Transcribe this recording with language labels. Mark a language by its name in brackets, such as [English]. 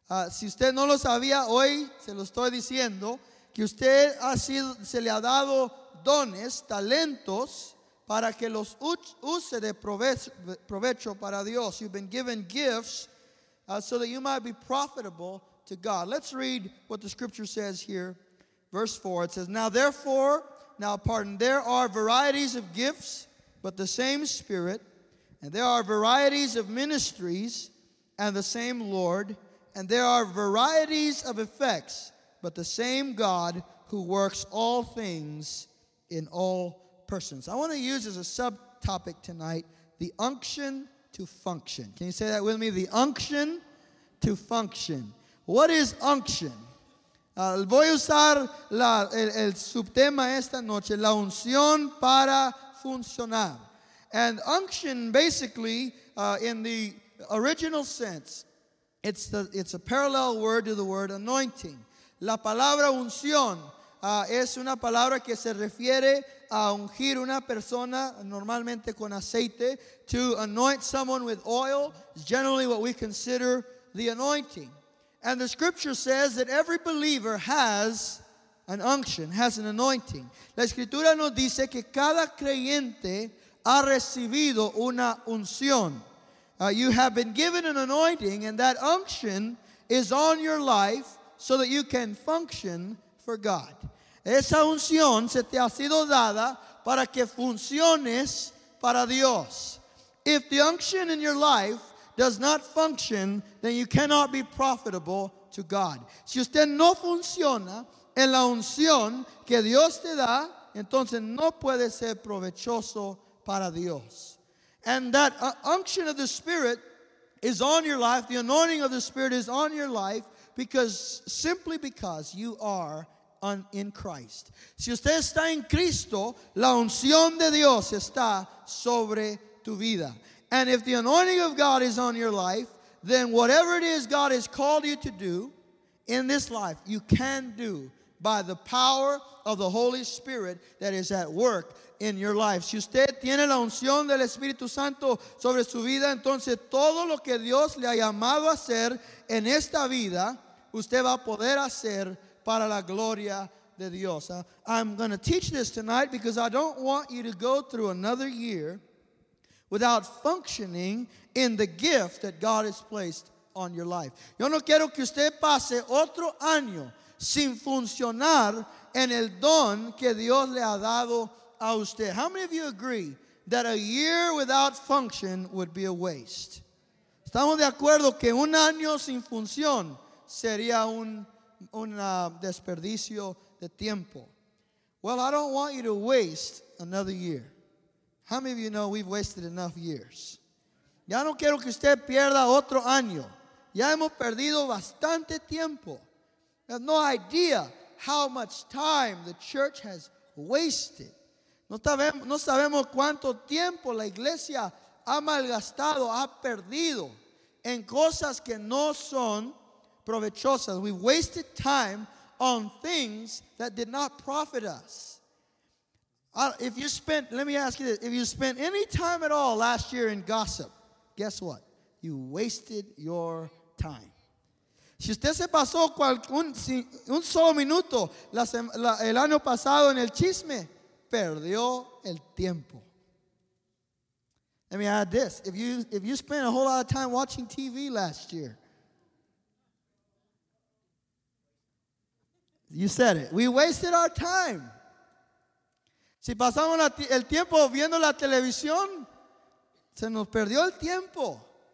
[Spanish] Si usted no lo sabía, hoy se lo estoy diciendo, que usted se le ha dado dones, talentos, para que los use de provecho para Dios. [English] You've been given gifts so that you might be profitable to God. Let's read what the scripture says here. Verse 4, it says, there are varieties of gifts, but the same Spirit, and there are varieties of ministries, and the same Lord, and there are varieties of effects, but the same God who works all things in all persons. I want to use as a subtopic tonight, the unction to function. Can you say that with me? The unction to function. What is unction? [Spanish] Voy a usar el subtema esta noche, la unción para funcionar. [English] And unction basically, in the original sense, it's a parallel word to the word anointing. [Spanish] La palabra unción es una palabra que se refiere a ungir una persona normalmente con aceite, [English] to anoint someone with oil, is generally what we consider the anointing. And the scripture says that every believer has an unction, has an anointing. [Spanish] La escritura nos dice que cada creyente ha recibido una unción. [English] You have been given an anointing, and that unction is on your life so that you can function for God. [Spanish] Esa unción se te ha sido dada para que funciones para Dios. [English] If the unction in your life does not function, then you cannot be profitable to God. [Spanish] Si usted no funciona en la unción que Dios te da, entonces no puede ser provechoso para Dios. [English] And that unction of the Spirit is on your life, the anointing of the Spirit is on your life, because you are in Christ. [Spanish] Si usted está en Cristo, la unción de Dios está sobre tu vida. [English] And if the anointing of God is on your life, then whatever it is God has called you to do in this life, you can do by the power of the Holy Spirit that is at work in your life. [Spanish] Si usted tiene la unción del Espíritu Santo sobre su vida, entonces todo lo que Dios le ha llamado a hacer en esta vida, usted va a poder hacer para la gloria de Dios. [English] I'm going to teach this tonight because I don't want you to go through another year without functioning in the gift that God has placed on your life. [Spanish] Yo no quiero que usted pase otro año sin funcionar en el don que Dios le ha dado a usted. [English] How many of you agree that a year without function would be a waste? [Spanish] Estamos de acuerdo que un año sin función sería un desperdicio de tiempo. [English] Well, I don't want you to waste another year. How many of you know we've wasted enough years? [Spanish] Ya no quiero que usted pierda otro año. Ya hemos perdido bastante tiempo. [English] You have no idea how much time the church has wasted. [Spanish] No sabemos cuánto tiempo la iglesia ha malgastado, ha perdido en cosas que no son provechosas. [English] We wasted time on things that did not profit us. Let me ask you this, if you spent any time at all last year in gossip, guess what? You wasted your time. [Spanish] Si usted se pasó un solo minuto el año pasado en el chisme, perdió el tiempo. [English] Let me add this. If you spent a whole lot of time watching TV last year, you said it. We wasted our time. [Spanish] Si pasamos el tiempo viendo la televisión, se nos perdió el tiempo.